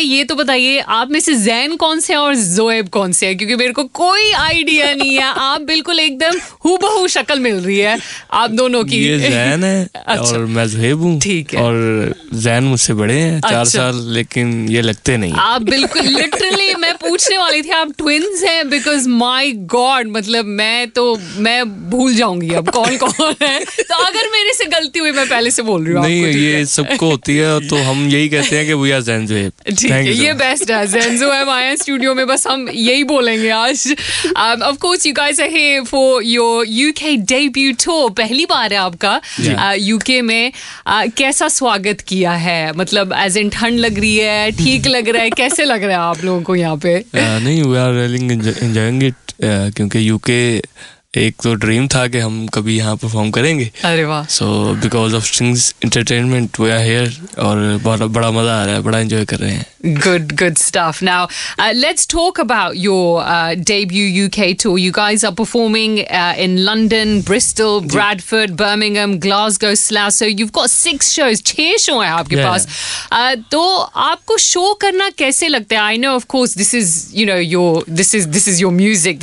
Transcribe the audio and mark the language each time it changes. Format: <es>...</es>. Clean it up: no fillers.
<en>You are fine. I am fine. But first, tell me, who is Zain and Zohaib? Because I have no idea. You are totally in the hubahu shape. You both.</en> <hi>Jain है अच्छा। और मैं जुहेब हूँ और जैन मुझसे बड़े हैं अच्छा। 4 साल लेकिन ये लगते नहीं आप बिल्कुल लिटरली मैं पूछने वाली थी आप ट्विन्स हैं बिकॉज माय गॉड मतलब मैं भूल जाऊंगी अब कौन कौन है तो अगर मेरे से गलती हुई मैं पहले से बोल रही हूँ नहीं आपको ये सबको होती है तो हम यही कहते हैं कि</hi> <en>we are Jain Juheb</en> <hi>ये बेस्ट है जैन जुहेब आए स्टूडियो में बस हम यही बोलेंगे आज</hi> <en>of course you guys are here for your UK debut tour</en> <hi>पहली बार है आपका यूके में कैसा स्वागत किया है मतलब एज इन ठंड लग रही है ठीक लग रहा है कैसे लग रहा है आप लोगों को यहाँ पे नहीं</hi> <en>we are really enjoying it</en> <hi>क्योंकि यूके एक तो ड्रीम था कि हम कभी यहाँ परफॉर्म करेंगे अरे वाह</hi> <en>so because of things entertainment we are here</en> <hi>और बड़ा मजा आ रहा है बड़ा एंजॉय कर रहे हैं</hi> <en>Good, good stuff. Now, let's talk about your debut UK tour. You guys are performing in London, Bristol, Bradford, Birmingham, Glasgow, Slough. So you've got 6 shows.</en> <hi>6 shows hai aapke paas. To aapko show karna kaise lagta hai?</hi> <en>I know, of course, this is you know your this is your music.</en>